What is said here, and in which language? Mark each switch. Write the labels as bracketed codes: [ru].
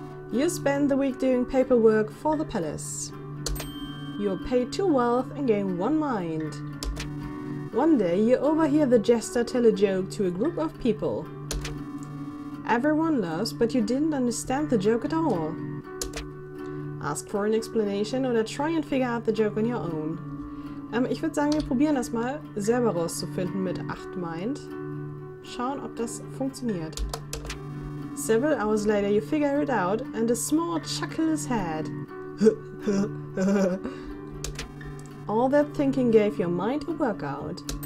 [en] You spend the week doing paperwork for the palace. You pay 2 wealth and gain 1 mind. One day you overhear the jester tell a joke to a group of people. Everyone laughs, but you didn't understand the joke at all. Ask for an explanation or try and figure out the joke on your own. [de] Ich würde sagen, wir probieren das mal selber rauszufinden mit 8 Mind. Schauen, ob das funktioniert. [en] Several hours later you figure it out and a small chuckle is had. All that thinking gave your mind a workout.